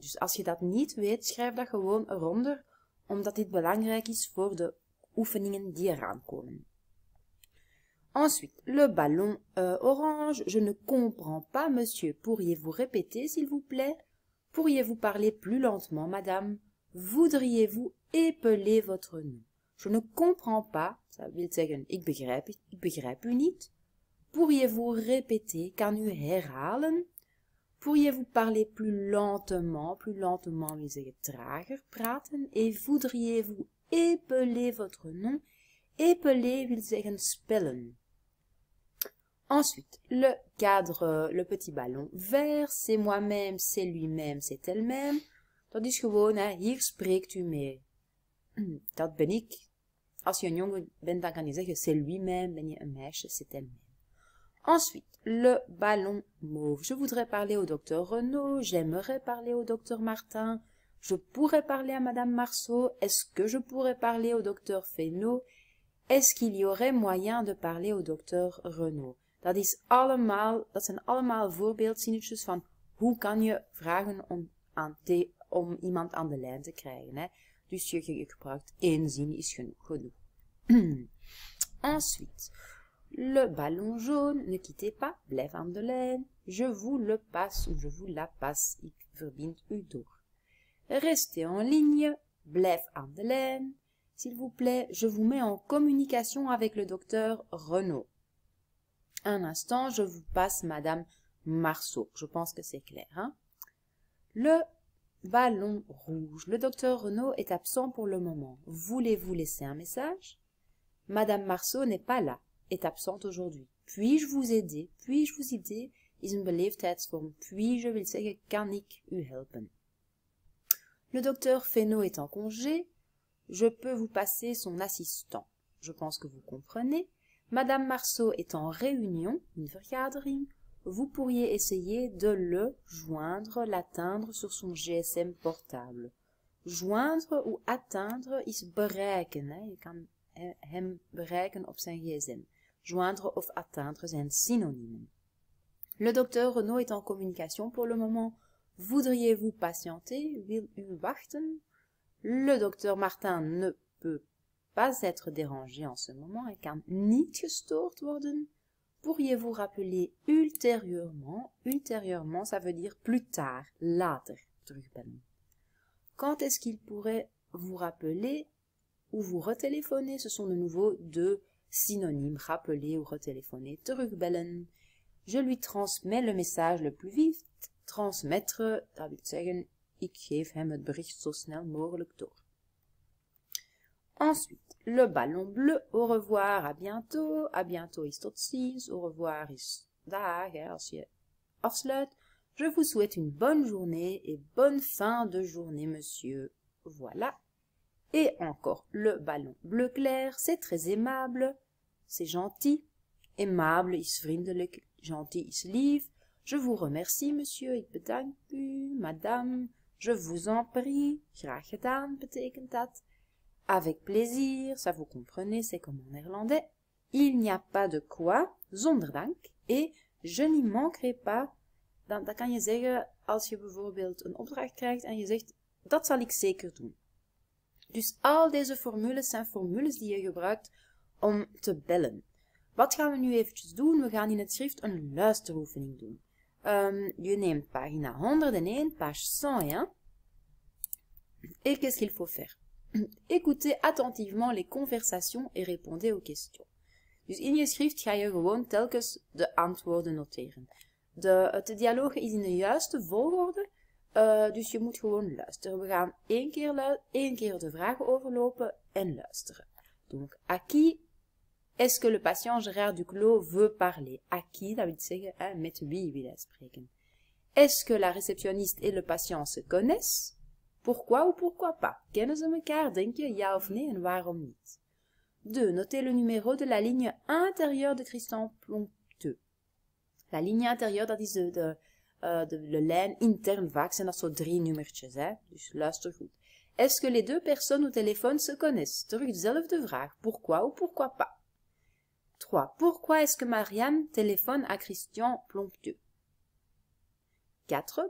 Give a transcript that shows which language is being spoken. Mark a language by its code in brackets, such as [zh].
[nl] Dus als je dat niet weet, schrijf dat gewoon eronder, omdat dit belangrijk is voor de oefeningen die eraan komen. [fr] Ensuite, le ballon orange. Je ne comprends pas, monsieur. Pourriez-vous répéter, s'il vous plaît? Pourriez-vous parler plus lentement, madame? Voudriez-vous épeler votre nom? Je ne comprends pas. Ça veut dire, [nl] ik begrijp u niet. [fr] Pourriez-vous répéter, [nl] kan u herhalen? [fr] Pourriez-vous parler plus lentement, [nl] wil zeggen trager praten? [fr] Et voudriez-vous épeler votre nom? [nl] Épeler wil zeggen spellen. Ensuite, le cadre, le petit ballon vert, c'est moi-même, c'est lui-même, c'est elle-même. [fr] Tandis que [nl] gewoon, hier spreekt u mee. Dat ben ik. Als je een jongen bent, dan kan je zeggen, [fr] c'est lui-même, [nl] ben je een meisje, [fr] c'est elle-même. Ensuite, le ballon mauve. Je voudrais parler au docteur Renaud, j'aimerais parler au docteur Martin, je pourrais parler à madame Marceau, est-ce que je pourrais parler au docteur Fesneau, est-ce qu'il y aurait moyen de parler au docteur Renaud? [nl] Dat zijn allemaal voorbeeldzinnetjes van hoe kan je vragen om iemand aan de lijn te krijgen, hè? Dus je gebruikt één zin is genoeg. [fr] Ensuite, le ballon jaune, ne quittez pas, [nl] blijf aan de lijn. [fr] Je vous le passe ou je vous la passe, [nl] ik verbind u door. [fr] Restez en ligne, [nl] blijf aan de lijn. [fr] S'il vous plaît, je vous mets en communication avec le docteur Renaud. Un instant, je vous passe madame Marceau. Je pense que c'est clair, hein? Le ballon rouge. Le docteur Renaud est absent pour le moment. Voulez-vous laisser un message? Madame Marceau n'est pas là, est absente aujourd'hui. Puis-je vous aider? Puis-je vous aider? [nl] Is een beleefdheidsvorm. Puis-je wil zeggen, kan ik u helpen? [fr] Le docteur Fesneau est en congé. Je peux vous passer son assistant. Je pense que vous comprenez. Madame Marceau est en réunion, une vergadering. Vous pourriez essayer de le joindre, l'atteindre sur son GSM portable. Joindre ou atteindre [nl] is bereiken. Hein? Je kan hem bereiken op zijn GSM. Joindre of atteindre zijn synonymes. [fr] Le docteur Renaud est en communication pour le moment. Voudriez-vous patienter? [nl] Wil u wachten? [fr] Le docteur Martin ne peut pas être dérangé en ce moment. [nl] Il kan niet gestoord worden. [fr] Pourriez-vous rappeler ultérieurement? Ultérieurement, ça veut dire plus tard, [nl] later, terugbellen. [fr] Quand est-ce qu'il pourrait vous rappeler ou vous retéléphoner? Ce sont de nouveau deux synonymes, rappeler ou retéléphoner, terugbellen. Je lui transmets le message le plus vite, transmettre, ça veut dire, [nl] ik geef hem het bericht zo snel mogelijk door. [fr] Ensuite, le ballon bleu, au revoir, à bientôt [nl] is tot ziens, [fr] au revoir [nl] is dag, hè, als je afsluit. [fr] Je vous souhaite une bonne journée et bonne fin de journée, monsieur. Voilà. Et encore, le ballon bleu clair, c'est très aimable, c'est gentil. [nl] Aimable is vriendelijk, gentil is lief. [fr] Je vous remercie, monsieur, [nl] ik bedank u, [fr] madame, je vous en prie, [nl] graag gedaan, betekent dat. [fr] Avec plaisir, ça vous comprenez, c'est comme en néerlandais. Il n'y a pas de quoi, zonder dank. Et je n'y manquerai pas. [nl] Dat kan je zeggen als je bijvoorbeeld een opdracht krijgt en je zegt, dat zal ik zeker doen. Dus al deze formules zijn formules die je gebruikt om te bellen. Wat gaan we nu eventjes doen? We gaan in het schrift een luisteroefening doen. Je neemt pagina 101, [fr] page 101. Et qu'est-ce qu'il faut faire? Écoutez attentivement les conversations et répondez aux questions. [nl] Dus in je schrift ga je gewoon telkens de antwoorden noteren. Het dialoog is in de juiste volgorde, dus je moet gewoon luisteren. We gaan één keer de vragen overlopen en luisteren. [fr] Donc, à qui Est-ce que le patient Gérard Duclos veut parler? À qui d'habitude met lui la spreken? Est-ce que la réceptionniste et le patient se connaissent? Pourquoi ou pourquoi pas? [nl] Kennen ze mekaar, denk je, ja of nee, en waarom niet? [fr] 2. Notez le numéro de la ligne intérieure de Tristan Plonteux. La ligne intérieure, [nl] dat is de lijn interne vaak, c'est dat soort 3 nummertjes, hein? Dus luister goed. [fr] Est-ce que les deux personnes au téléphone se connaissent? [nl] Terug dezelfde vraag. [fr] Pourquoi ou pourquoi pas? 3. Pourquoi est-ce que Marianne téléphone à Christian Plonctueux? 4.